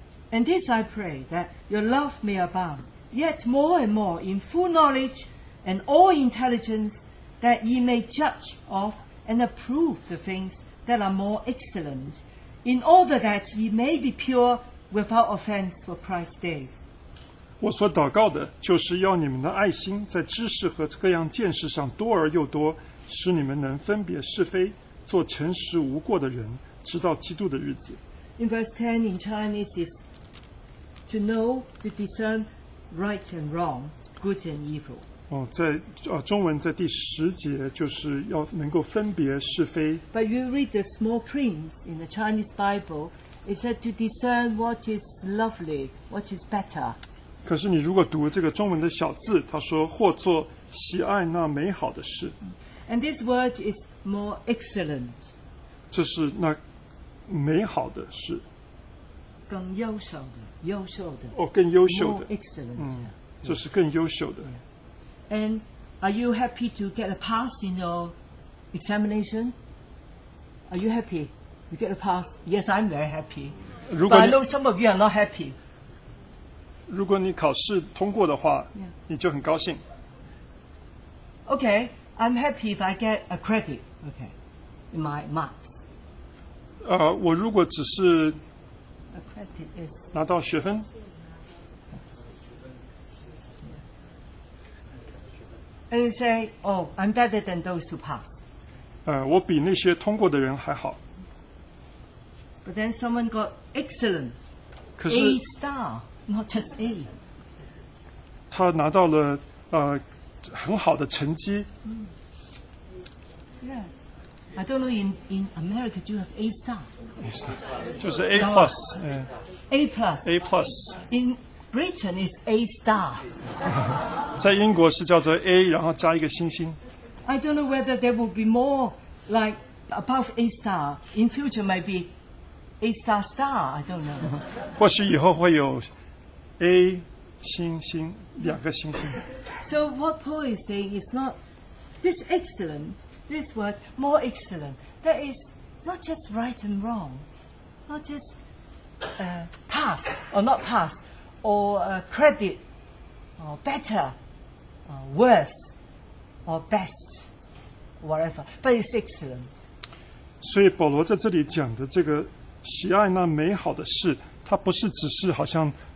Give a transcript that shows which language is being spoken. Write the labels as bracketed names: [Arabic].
[English] And this I pray, that your love may abound yet more and more in full knowledge and all intelligence, that ye may judge of and approve the things that are more excellent, in order that ye may be pure without offense for Christ's day. [Chinese] 我所祷告的就是要你们的爱心在知识和各样见识上多而又多，使你们能分别是非，做诚实无过的人，直到基督的日子。 [English] In verse 10 in Chinese is to know, to discern right and wrong, good and evil. [Chinese] 哦，在中文在第十节就是要能够分别是非。 [English] But you read the small print in the Chinese Bible, it said to discern what is lovely, what is better. [Chinese] 可是你如果读这个中文的小字，他说或做喜爱那美好的事。 [English] And this word is more excellent. [Chinese] 这是那美好的事。更优秀的，优秀的。哦，更优秀的。 [English] More excellent. [Chinese] 这是更优秀的。 [English] And are you happy to get a pass in your examination? Are you happy? You get a pass? Yes, I'm very happy. But I know some of you are not happy. [Chinese] 如果你考试通过的话、yeah. 你就很高兴。 [English] OK, I'm happy if I get a credit, OK, in my marks. [Chinese] 我如果只是 [English] a credit is [Chinese] 拿到学分 [English] and you say, oh, I'm better than those who pass. [Chinese] 我比那些通过的人还好。 [English] But then someone got excellent, A star. Not just A. [Chinese] 他拿到了很好的成绩。 [English] Yeah, I don't know in America do you have A star? A star. [Chinese] 就是 [English] A plus. A plus. A plus. In Britain is A star. [Chinese] 在英国是叫做 A, 然后加一个星星。 [English] I don't know whether there will be more like above A star in future, maybe A star star. I don't know. [Chinese] 或许以后会有。A 星星，两个星星。 [English] So what Paul is saying is not this excellent, this word more excellent. That is not just right and wrong, not just pass or not pass, or credit or better or worse or best, whatever. But it's excellent. [Chinese] 所以保罗在这里讲的这个喜爱那美好的事，它不是只是好像。